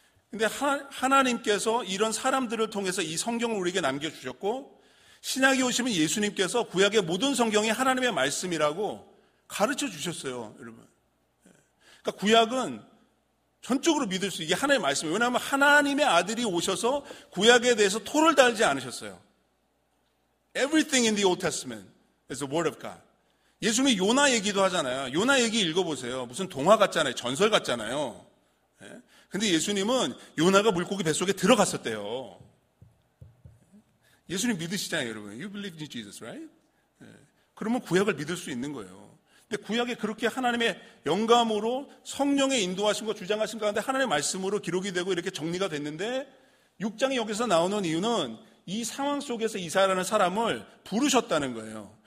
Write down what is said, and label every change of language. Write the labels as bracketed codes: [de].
[ko] 근데 하나님께서 이런 사람들을 통해서 이 성경을 우리에게 남겨주셨고 신약이 오시면 예수님께서 구약의 모든 성경이 하나님의 말씀이라고 가르쳐 주셨어요, 여러분. 그러니까 구약은 전적으로 믿을 수 있게 하나님의 말씀이에요. 왜냐하면 하나님의 아들이 오셔서 구약에 대해서 토를 달지 않으셨어요. [en] Everything in the Old Testament is the word of God. [ko] 예수님이 요나 얘기도 하잖아요. 요나 얘기 읽어보세요. 무슨 동화 같잖아요. 전설 같잖아요. 근데 예수님은 요나가 물고기 뱃속에 들어갔었대요. 예수님 믿으시잖아요, 여러분. [en] You believe in Jesus, right? [ko] 그러면 구약을 믿을 수 있는 거예요. 근데 구약에 그렇게 하나님의 영감으로 성령의 인도하심과 주장하심 가운데 하나님의 말씀으로 기록이 되고 이렇게 정리가 됐는데 6장이 여기서 나오는 이유는 이 상황 속에서 이사야라는 사람을 부르셨다는 거예요.